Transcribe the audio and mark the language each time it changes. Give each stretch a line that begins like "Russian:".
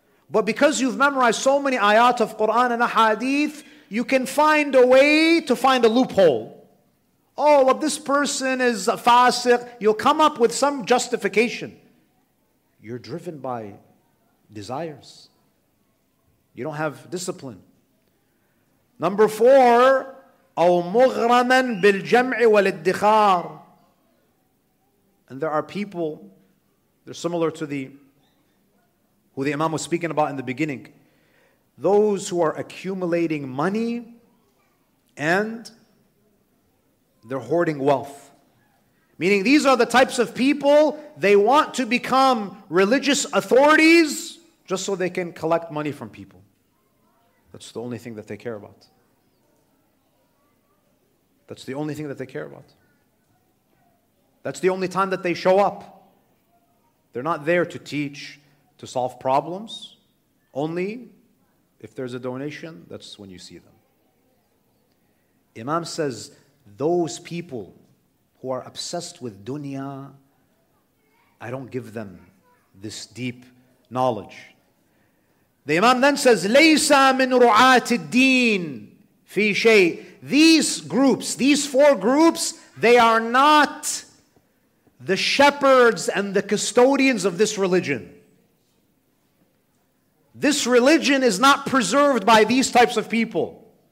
English: But because you've memorized so many ayat of Quran and hadith, you can find a way to find a loophole. Oh, well, this person is a fasiq. You'll come up with some justification. You're driven by desires. You don't have discipline. Number four,
Arabic: أو مغرما بالجمع والادخار.
English: And there are people, they're similar to the who the Imam was speaking about in the beginning. Those who are accumulating money and they're hoarding wealth. Meaning these are the types of people, they want to become religious authorities just so they can collect money from people. That's the only thing that they care about. That's the only thing that they care about. That's the only time that they show up. They're not there to teach, to solve problems. Only if there's a donation, that's when you see them. Imam says, those people who are obsessed with dunya, I don't give them this deep knowledge. The Imam then says,
Arabic: لَيْسَ مِنْ رُعَاتِ الدِّينِ فِي شَيْءٍ.
English: These groups, these four groups, they are not the shepherds and the custodians of this religion. This religion is not preserved by these types of people.